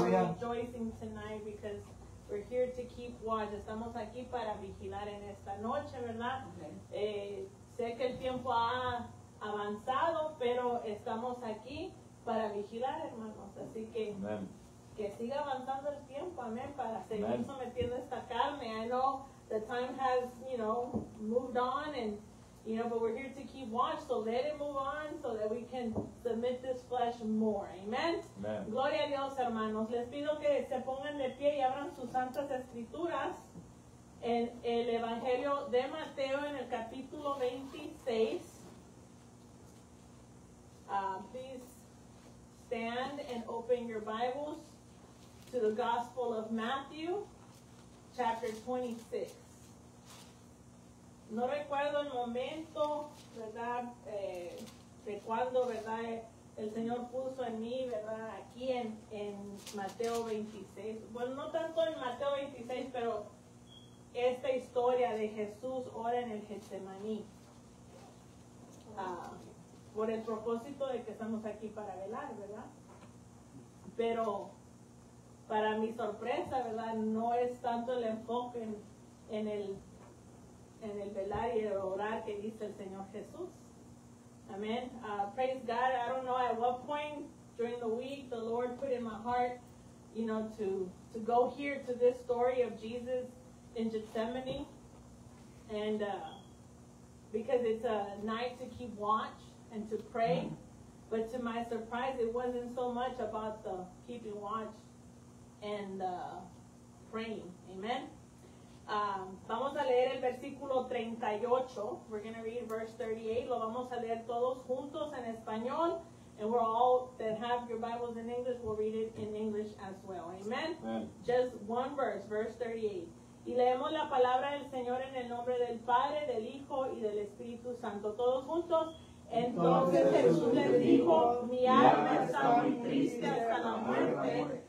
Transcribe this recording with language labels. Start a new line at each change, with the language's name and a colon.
English: We're rejoicing tonight because we're here to keep watch.
Spanish: Estamos aquí para vigilar en esta noche, ¿verdad?
English: Okay.
Spanish: Sé que el tiempo ha avanzado, pero estamos aquí para vigilar, hermanos. Así que amen. Que siga avanzando el tiempo, amén, para seguir amen. Sometiendo esta carne.
English: I know the time has, you know, moved on and you know, but we're here to keep watch, so let it move on so that we can submit this flesh more. Amen. Amen.
Spanish: Gloria a Dios, hermanos. Les pido que se pongan de pie y abran sus santas escrituras en el Evangelio de Mateo en el capítulo 26.
English: Please stand and open your Bibles to the Gospel of Matthew, chapter 26.
Spanish: No recuerdo el momento, ¿verdad?, de cuando, ¿verdad?, el Señor puso en mí, ¿verdad?, aquí en Mateo 26. Bueno, no tanto en Mateo 26, pero esta historia de Jesús ora en el Getsemaní. Por el propósito de que estamos aquí para velar, ¿verdad? Pero para mi sorpresa, ¿verdad?, no es tanto el enfoque en el velar y el orar que dice el Señor Jesús.
English: Amén. Praise God. I don't know at what point during the week the Lord put in my heart, you know, to go here to this story of Jesus in Gethsemane. And because it's a night to keep watch and to pray. But to my surprise, it wasn't so much about the keeping watch and praying.
Spanish: Amen. Vamos a leer el versículo 38.
English: We're going to read verse 38.
Spanish: Lo vamos a leer todos juntos en español.
English: And we're all that have your Bibles in English, we'll read it in English as well. Amen. Amen. Just one verse, verse 38.
Spanish: Y leemos la palabra del Señor en el nombre del Padre, del Hijo y del Espíritu Santo. Todos juntos. Entonces Jesús les dijo, mi alma está muy triste hasta la muerte.